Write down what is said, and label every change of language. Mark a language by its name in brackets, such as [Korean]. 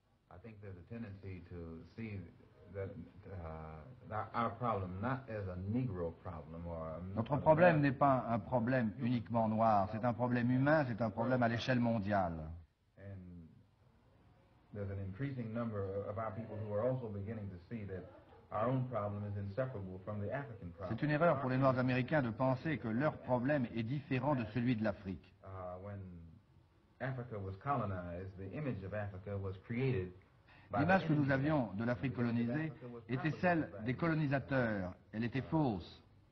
[English] I think there's a tendency to see that our problem not as a Negro problem or [French] notre problème n'est pas un problème uniquement noir. C'est un problème humain. C'est un problème à l'échelle mondiale. [English] And there's an increasing number of our people who are also beginning to see that our own problem is inseparable from the African problem. [French] C'est une erreur pour les Noirs américains de penser que leur problème est différent de celui de l'Afrique. [English] When Africa was colonized, the image of Africa was created. [French] L'image que nous avions de l'Afrique colonisée était celle des colonisateurs. Elle était fausse.